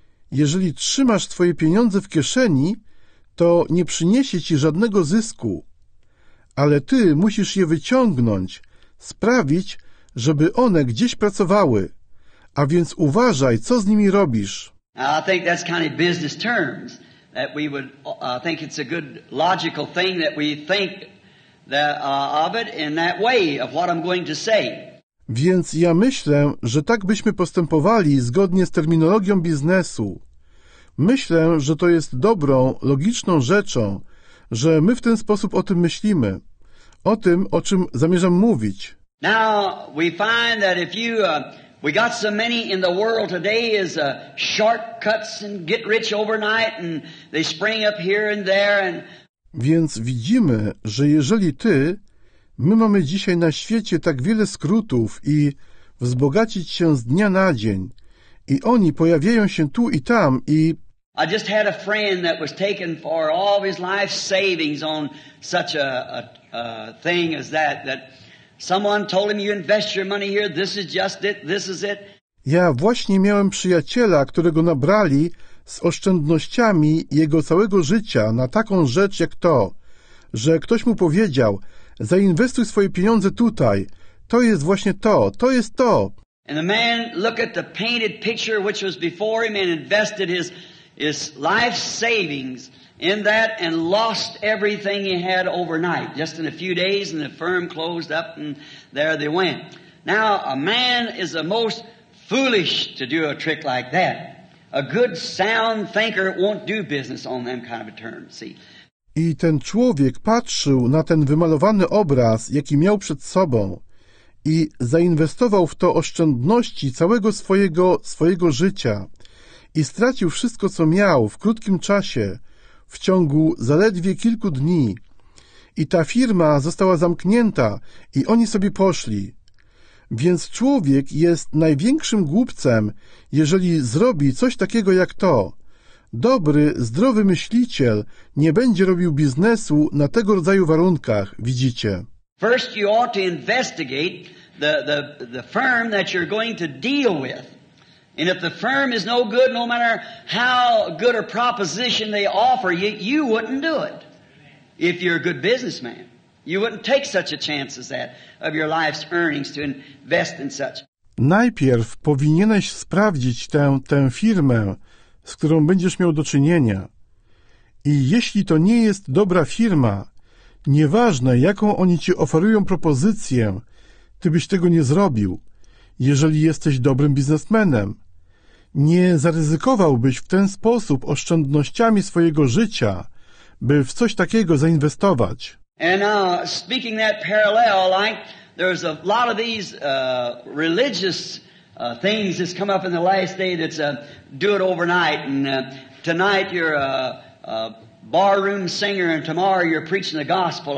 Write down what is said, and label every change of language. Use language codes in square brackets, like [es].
[pl] Jeżeli trzymasz swoje pieniądze w kieszeni, to nie przyniesie ci żadnego zysku. Ale ty musisz je wyciągnąć, sprawić, żeby one gdzieś pracowały. A więc uważaj, co z nimi robisz. [en] I think that's kind of business terms. That we would, I think it's a good logical thing that we think that, of it in that way, of what I'm going to say. [pl] Więc ja myślę, że tak byśmy postępowali zgodnie z terminologią biznesu. Myślę, że to jest dobrą, logiczną rzeczą, że my w ten sposób o tym myślimy, o tym, o czym zamierzam mówić. [en] Now we find that if you we got so many in the world today is shortcuts and get rich overnight and they spring up here and there and. [pl] Więc widzimy, że jeżeli my mamy dzisiaj na świecie tak wiele skrótów i wzbogacić się z dnia na dzień, i oni pojawiają się tu i tam i. [en] I just had a friend that was taken for all of his life savings on such a thing as that, that someone told him, you invest your money here, this is just it, this is it. [pl] Ja właśnie miałem przyjaciela, którego nabrali z oszczędnościami jego całego życia na taką rzecz jak to, że ktoś mu powiedział, zainwestuj swoje pieniądze tutaj, to jest właśnie to, to jest to. [en] And the man looked at the painted picture which was before him and invested his life savings in that and lost everything he had overnight, just in a few days, and the firm closed up and there they went. Now, a man is the most foolish to do a trick like that. A good, sound thinker won't do business on them kind of a term, see. [pl] I ten człowiek patrzył na ten wymalowany obraz, jaki miał przed sobą, i zainwestował w to oszczędności całego swojego życia. I stracił wszystko, co miał w krótkim czasie, w ciągu zaledwie kilku dni. I ta firma została zamknięta i oni sobie poszli. Więc człowiek jest największym głupcem, jeżeli zrobi coś takiego jak to. Dobry, zdrowy myśliciel nie będzie robił biznesu na tego rodzaju warunkach, widzicie. [en] First you ought to investigate the firm that you're going to deal with. And if the firm is no good, no matter how good a proposition they offer you, you wouldn't do it. If you're a good businessman, you wouldn't take such a chance as that of your life's earnings to invest in such. [pl] Najpierw powinieneś sprawdzić tę firmę, z którą będziesz miał do czynienia. I jeśli to nie jest dobra firma, nieważne jaką oni ci oferują propozycję, ty byś tego nie zrobił. Jeżeli jesteś dobrym biznesmenem, Nie zaryzykowałbyś w ten sposób oszczędnościami swojego życia, by w coś takiego zainwestować. [en] And speaking that parallel, like there's a lot of these religious things that's come up in the last day that's do it overnight. And tonight you're a barroom singer and tomorrow you're preaching the gospel.